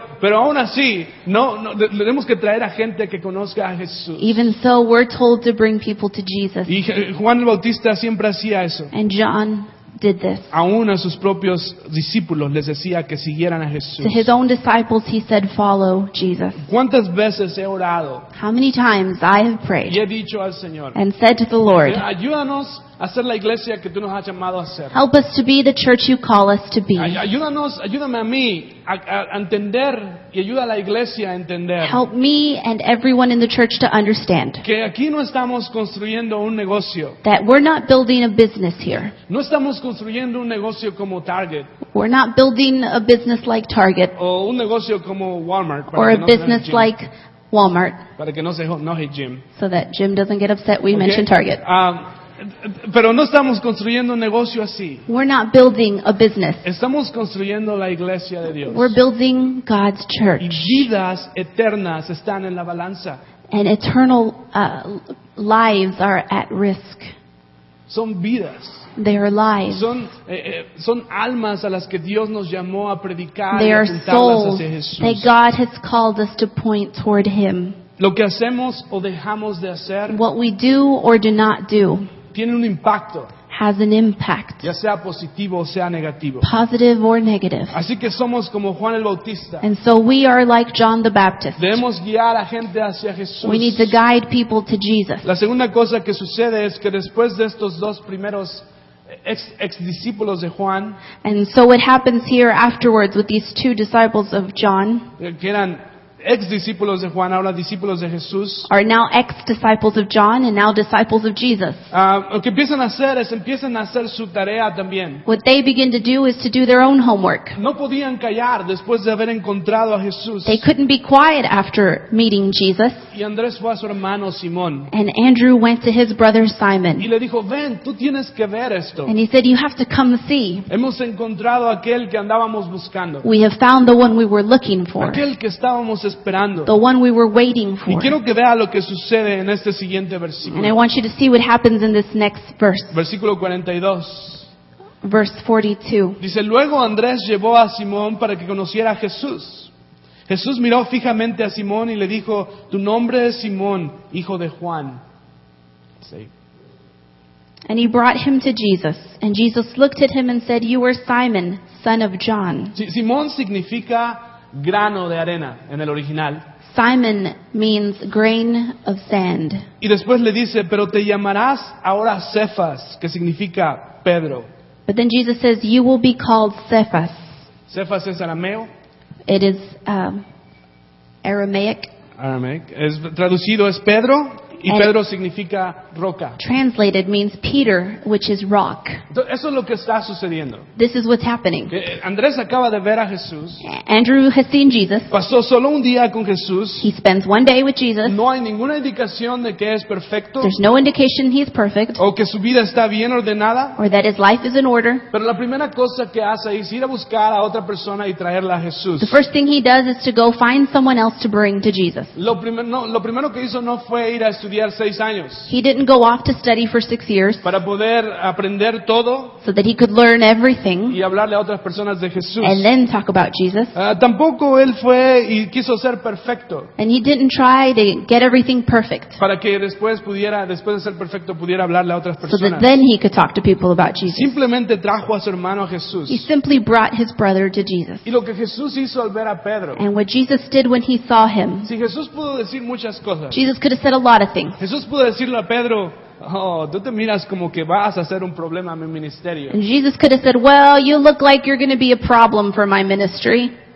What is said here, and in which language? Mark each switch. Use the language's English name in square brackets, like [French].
[Spanish] Pero aún así, no tenemos que traer a gente que conozca a Jesús. [English] Even so, we're told to bring people to Jesus. [Spanish] Y Juan el Bautista siempre hacía eso. [English] And John did this. [Spanish] Aún a sus propios discípulos les decía que siguieran a Jesús. [English] To his own disciples, he said, follow Jesus. [Spanish] ¿Cuántas veces he orado? [English] How many times I have prayed. [Spanish] Y he dicho al Señor. [English] And said to the Lord. [Spanish] Ayúdanos. Hacer la iglesia que tú nos has llamado a ser. [English] Help us to be the church you call us to be. [Spanish] Ayúdame a mí a entender y ayuda a la iglesia a entender. [English] Help me and everyone in the church to understand. [Spanish] Que aquí no estamos construyendo un negocio. [English] That we're not building a business here. [Spanish] No estamos construyendo un negocio como Target. [English] We're not building a business like Target. [Spanish] O un negocio como Walmart. [English] Or a business like Walmart. [Spanish] Para que no se enoje Jim. [English] So that Jim doesn't get upset we mentioned Target. [Spanish] Pero no estamos construyendo un negocio así. [English] We're not building a business. [Spanish] Estamos construyendo la iglesia de Dios. [English] We're building God's church. [Spanish] Y vidas eternas están en la balanza. [English] And eternal lives are at risk. [Spanish] Son vidas. [English] They are lives. [Spanish] Son almas a las que Dios nos llamó a predicar. [English] They are souls that God has called us to point toward Him. [Spanish] Lo que hacemos o dejamos de hacer, [English] what we do or do not do, [Spanish] tiene un impacto, [English] has an impact, [Spanish] ya sea positivo o sea negativo, [English] positive or negative. [Spanish] Así que somos como Juan el Bautista. [English] And so we are like John the Baptist. [Spanish] Debemos guiar a gente hacia Jesús. [English] We need to guide people to Jesus. [Spanish] La segunda cosa que sucede es que después de estos dos primeros ex discípulos de Juan, [English] and so what happens here afterwards with these two disciples of John, [Spanish] que eran ex discípulos de Juan, ahora discípulos de Jesús, [English] are now ex disciples of John and now disciples of Jesus. [Spanish] Lo que empiezan a hacer es empiezan a hacer su tarea también. [English] What they begin to do is to do their own homework. [Spanish] No podían callar después de haber encontrado a Jesús. [English] They couldn't be quiet after meeting Jesus. [Spanish] Y Andrés fue a su hermano Simón. [English] And Andrew went to his brother Simon. [Spanish] Y le dijo, ven, tú tienes que ver esto. [English] And he said, you have to come see. [Spanish] Hemos encontrado aquel que andábamos buscando. [English] We have found the one we were looking for. [Spanish] Aquel que estábamos esperando. [English] The one we were waiting for. [Spanish] Y quiero que vea lo que sucede en este siguiente versículo. [English] And I want you to see what happens in this next verse. [Spanish] Versículo 42. [English] Verse 42. [Spanish] Dice, luego Andrés llevó a Simón para que conociera a Jesús. Jesús miró fijamente a Simón y le dijo, tu nombre es Simón, hijo de Juan. Sí. [English] And he brought him to Jesus. And Jesus looked at him and said, you are Simon, son of John. [Spanish] Simón significa grano de arena en el original. [English] Simon means grain of sand. [Spanish] Y después le dice, pero te llamarás ahora Cephas, que significa Pedro. [English] But then Jesus says, you will be called Cephas. [Spanish] Cephas es arameo. [English] It is Aramaic. [Spanish] Aramaic. Es traducido es Pedro. Y Pedro significa roca. [English] Translated means Peter, which is rock. [Spanish] Eso es lo que está sucediendo. [English] This is what's happening. [Spanish] Andrés acaba de ver a Jesús. [English] Andrew has seen Jesus. [Spanish] Pasó solo un día con Jesús. [English] He spends one day with Jesus. [Spanish] No hay ninguna indicación de que es perfecto. [English] There's no indication he is perfect. [Spanish] O que su vida está bien ordenada. [English] Or that his life is in order. [Spanish] Pero la primera cosa que hace es ir a buscar a otra persona y traerla a Jesús. [English] The first thing he does is to go find someone else to bring to Jesus. [Spanish] Lo primero que hizo no fue ir a estudiar. [English] He didn't go off to study for 6 years [Spanish] para poder aprender todo, [English] so that he could learn everything [Spanish] y hablarle a otras personas de Jesús, [English] and then talk about Jesus. [Spanish] Tampoco él fue y quiso ser perfecto, [English] and he didn't try to get everything perfect [Spanish] para que después de ser perfecto pudiera hablarle a otras personas, [English] so that then he could talk to people about Jesus. [Spanish] Simplemente trajo a su hermano a Jesús. [English] He simply brought his brother to Jesus. [Spanish] Y lo que Jesús hizo al ver a Pedro, [English] and what Jesus did when he saw him. [Spanish] Si Jesús pudo decir muchas cosas, [English] Jesus could have said a lot of things. [Spanish] Jesús pudo decirle a Pedro, oh, tú te miras como que vas a ser un problema en mi ministerio. [English] And Jesus could have said, well, you look like you're going to be a problem for my ministry.